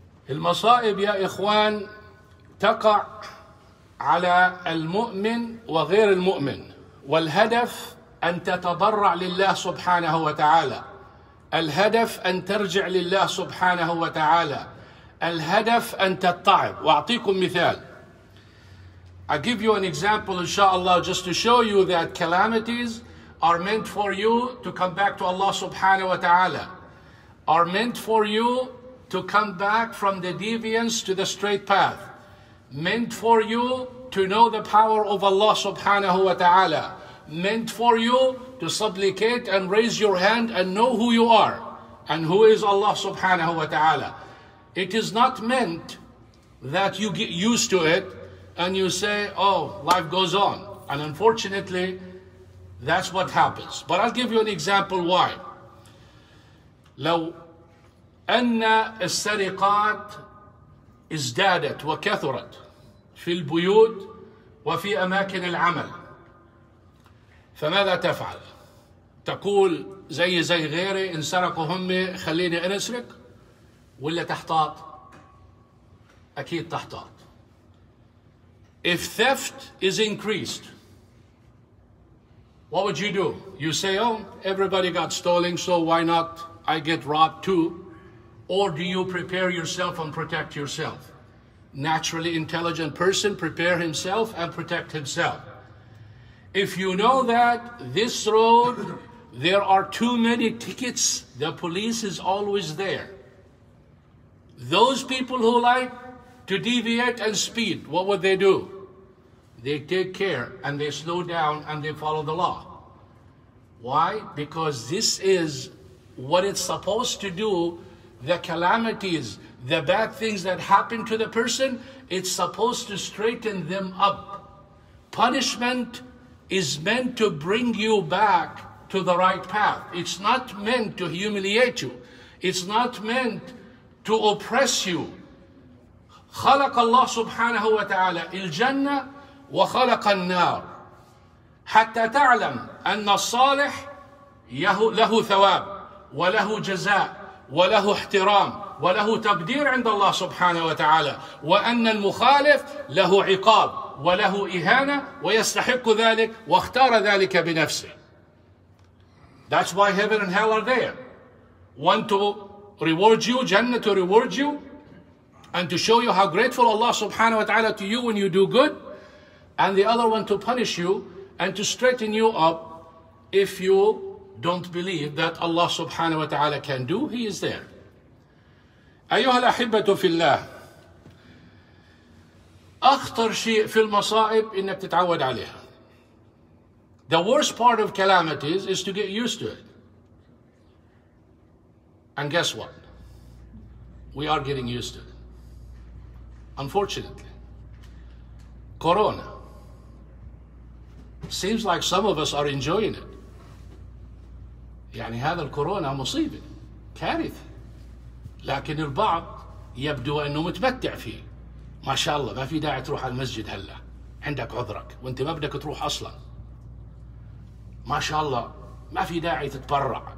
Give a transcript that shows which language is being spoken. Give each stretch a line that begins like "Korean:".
Arabic: المصائب يا إخوان تقع على المؤمن وغير المؤمن, والهدف أن تتضرع لله سبحانه وتعالى, الهدف أن ترجع لله سبحانه وتعالى, الهدف أن تتعب. وأعطيكم مثال.
English: I'll give you an example inshallah just to show you that calamities are meant for you to come back to Allah subhanahu wa ta'ala, are meant for you to come back from the deviance to the straight path, meant for you to know the power of Allah subhanahu wa ta'ala, meant for you to supplicate and raise your hand and know who you are and who is Allah subhanahu wa ta'ala. It is not meant that you get used to it and you say, oh, life goes on. And unfortunately, that's what happens. But I'll give you an example why.
Arabic: لو أن السرقات ازدادت وكثرت في البيوت وفي أماكن العمل, فماذا تفعل؟ تقول زي غيري إن سرقوا همي خليني أسرق ولا تحتاط؟ أكيد تحتاط.
English: If theft is increased, what would you do? You say, oh, everybody got stolen, so why not I get robbed too? Or do you prepare yourself and protect yourself? Naturally intelligent person prepare himself and protect himself. If you know that this road, there are too many tickets, the police is always there. Those people who like to deviate and speed, what would they do? They take care and they slow down and they follow the law. Why? Because this is what it's supposed to do. The calamities, the bad things that happen to the person, it's supposed to straighten them up. Punishment is meant to bring you back to the right path. It's not meant to humiliate you. It's not meant to oppress you.
Arabic: خلق الله سبحانه وتعالى الجنة وخلق النار حتى تعلم أن الصالح له ثواب وله جزاء وله احترام وله تقدير عند الله سبحانه وتعالى وأن المخالف له عقاب وله إهانة ويستحق ذلك واختار ذلك بنفسه.
English: That's why heaven and hell are there. One to reward you, Jannah to reward you, and to show you how grateful Allah subhanahu wa ta'ala to you when you do good, and the other one to punish you and to straighten you up if you don't believe that Allah subhanahu wa ta'ala can do, He is there.
Arabic: أيها الأحبة في الله أخطر شيء في المصائب إنك تتعود عليها.
English: The worst part of calamities is to get used to it. And guess what? We are getting used to it. Unfortunately. Corona. Seems like some of us are enjoying it.
Arabic: يعني هذا الكورونا مصيبة. كارثة. لكن البعض يبدو أنه متمتع فيه. ما شاء الله ما في داعي تروح على المسجد هلا. عندك عذرك. وانت ما بدك تروح أصلا. ما شاء الله ما في داعي تتبرع.